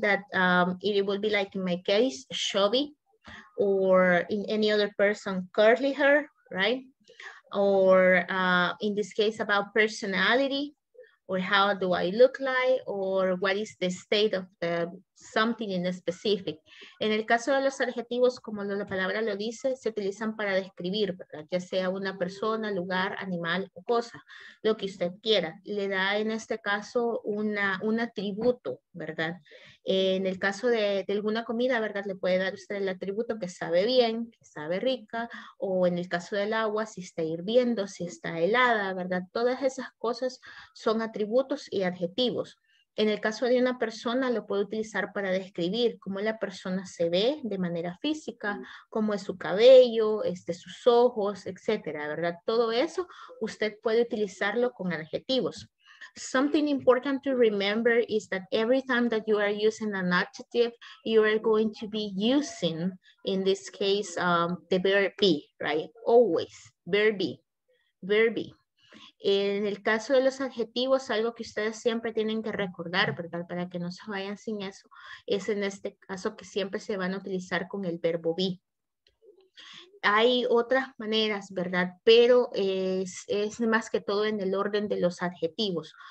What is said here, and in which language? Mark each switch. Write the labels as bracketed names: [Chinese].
[English] That it will be like, in my case, chubby, or in any other person, curly hair, right? Or in this case about personality, or how do I look like, or what is the state of the something in specific. [Spanish] En el caso de los adjetivos, como la palabra lo dice, se utilizan para describir, ¿verdad? Ya sea una persona, lugar, animal o cosa, lo que usted quiera. Le da en este caso un atributo, ¿verdad? En el caso de alguna comida, ¿verdad? Le puede dar usted el atributo que sabe bien, que sabe rica, o en el caso del agua, si está hirviendo, si está helada, ¿verdad? Todas esas cosas son atributos y adjetivos. En el caso de una persona, lo puede utilizar para describir cómo la persona se ve de manera física, cómo es su cabello, sus ojos, etcétera, ¿verdad? Todo eso, usted puede utilizarlo con adjetivos. [English] Something important to remember is that every time that you are using an adjective, you are going to be using, in this case, the verb be, right? Always, verb be. [Spanish] En el caso de los adjetivos, algo que ustedes siempre tienen que recordar, ¿verdad? Para que no se vayan sin eso, es en este caso que siempre se van a utilizar con el verbo be. Hay otras maneras, ¿verdad? Pero es más que todo en el orden de los adjetivos.